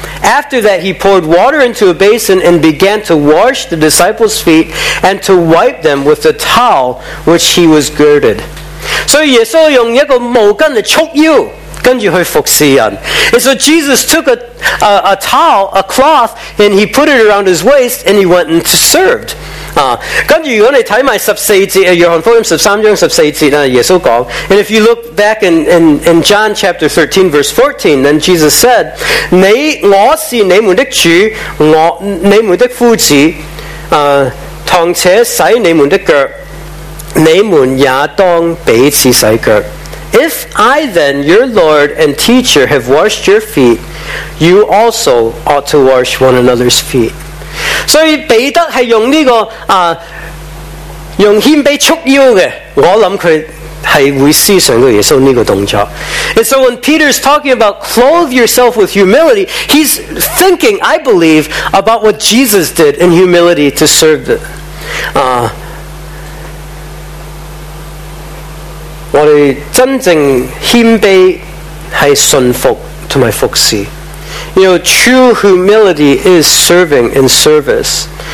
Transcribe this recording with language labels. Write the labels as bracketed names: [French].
[English] After that, he poured water into a basin and began to wash the disciples' feet and to wipe them with the towel which he was girded. So Jesus used a towel to choke you. [Chinese] 跟着去服侍人. [English] And so Jesus took a towel, a cloth, and he put it around his waist, and he went and served. [Chinese] 跟着如果你看14节约翰福音13章14节耶稣讲. [English] And if you look back in John chapter 13 verse 14, then Jesus said, [Chinese] 我是你们的主，你们的夫子，同且洗你们的脚, 你们也当彼此洗脚。 [English] If I then, your Lord and teacher, have washed your feet, you also ought to wash one another's feet. [Chinese] 所以彼得是用这个、用谦卑束腰的，我想他是会思想耶稣这个动作。 [English] And so when Peter is talking about clothe yourself with humility, he's thinking, I believe, about what Jesus did in humility to serve the...、 [Chinese] 我们真正谦卑是顺服和服侍。 [English] You know, true humility is serving in service.